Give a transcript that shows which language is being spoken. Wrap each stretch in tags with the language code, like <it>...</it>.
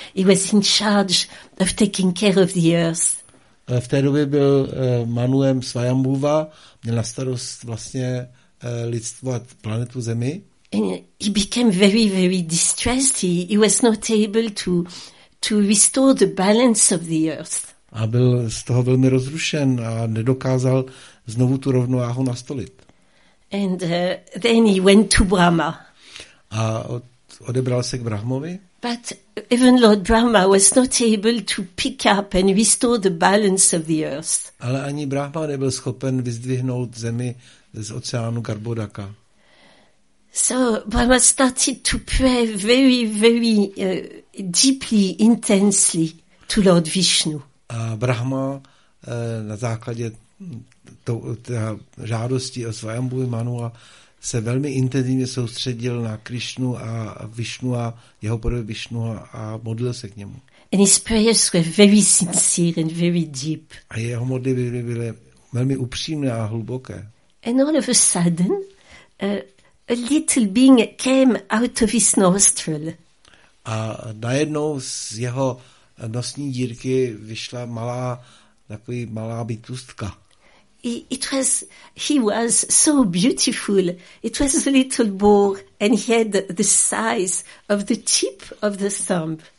<en>He was in charge of taking care of the earth.</en> <cs>V té době byl Manuem Svayambhuva, měl na starost vlastně lidstvovat planetu Zemi.</cs> <en>And he became very, very distressed. He was not able to restore the balance of the earth.</en> <cs>A byl z toho velmi rozrušen a nedokázal znovu tu rovnováhu nastolit.</cs> <en>And then he went to Brahma.</en> <cs>A odebral se k Brahmovi.</cs> <en>But even Lord Brahma was not able to pick up and restore the balance of the earth.</en> <cs>Ale ani Brahma nebyl schopen vyzdvihnout zemi z oceánu Garbhodaka.</cs> <en>So Brahma started to pray very, very deeply, intensely to Lord Vishnu.</en> <cs>A Brahma na základě té žádosti o Svayambhuvi Manua se velmi intenzivně soustředil na Krišnu a Višnu a jeho podobě Višnu a modlil se k němu.</cs> <en>And his prayers were very sincere and very deep.</en> <cs>A jeho modlitby byly velmi upřímné a hluboké.</cs> <en>And all of a sudden, a little being came out of his nostril.</en> <cs>A najednou z jeho nosní dírky vyšla malá bytůstka.</cs> <en>He was so beautiful. It was a little boar, and he had the size of the tip of the thumb.</en>